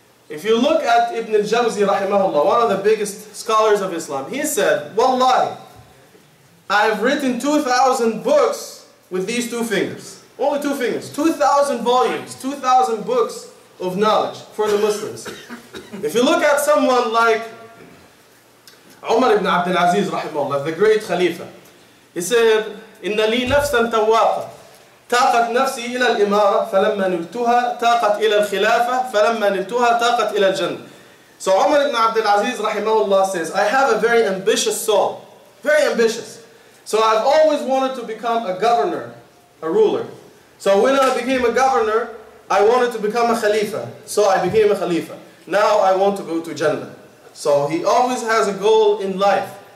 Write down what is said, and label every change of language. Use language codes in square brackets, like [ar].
[en] If you look at Ibn al-Jawzi rahimahullah, one of the biggest scholars of Islam, he said, wallahi, I have written 2,000 books with these two fingers. Only two fingers. 2,000 volumes, 2,000 books of knowledge for the Muslims. If you look at someone like Umar ibn Abdul Aziz rahimahullah, the great Khalifa, he said, [ar] إِنَّ لِي نَفْسًا تَوَّاقًا تَاقَتْ نَفْسِي إِلَى الْإِمَارَةِ فَلَمَّا نُلْتُهَا تَاقَتْ إِلَى الْخِلَافَةِ فَلَمَّا نُلْتُهَا تَاقَتْ إِلَى الْجَنَّةِ. [en] So Umar ibn Abdul Aziz rahimahullah says, I have a very ambitious soul, very ambitious. So I've always wanted to become a governor, a ruler. So when I became a governor, I wanted to become a khalifa. So I became a khalifa. Now I want to go to Jannah. So he always has a goal in life.